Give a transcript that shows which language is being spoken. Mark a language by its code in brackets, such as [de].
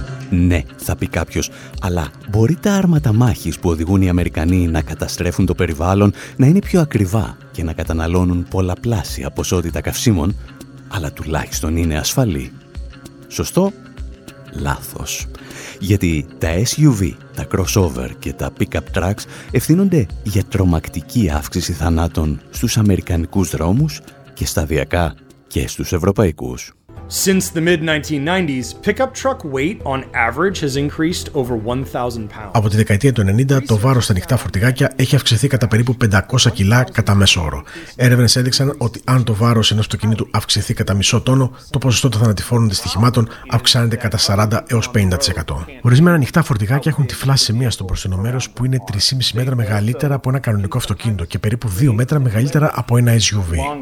[el] Ναι, θα πει κάποιος, αλλά μπορεί τα άρματα μάχης που οδηγούν οι Αμερικανοί να καταστρέφουν το περιβάλλον, να είναι πιο ακριβά και να καταναλώνουν πολλαπλάσια ποσότητα καυσίμων, αλλά τουλάχιστον είναι ασφαλή. Σωστό? Λάθος. Γιατί τα SUV, τα crossover και τα pickup trucks ευθύνονται για τρομακτική αύξηση θανάτων στους αμερικανικούς δρόμους και σταδιακά και στους ευρωπαϊκούς. [en] Since the mid-1990s, pickup truck weight on average has increased over 1,000 pounds. [el] Από τη δεκαετία του 90, το βάρος στα ανοιχτά φορτηγάκια έχει αυξηθεί κατά περίπου 500 κιλά κατά μέσο όρο. Έρευνες έδειξαν ότι αν το βάρος ενός αυτοκινήτου αυξηθεί κατά μισό τόνο, το ποσοστό των θανατηφόρων δυστυχημάτων αυξάνεται κατά 40 έως 50%. Ορισμένα ανοιχτά φορτηγάκια έχουν τυφλά σημεία στο μπροστινό μέρος που είναι 3,5 μέτρα μεγαλύτερα από ένα κανονικό αυτοκίνητο και περίπου 2 μέτρα μεγαλύτερα από ένα SUV.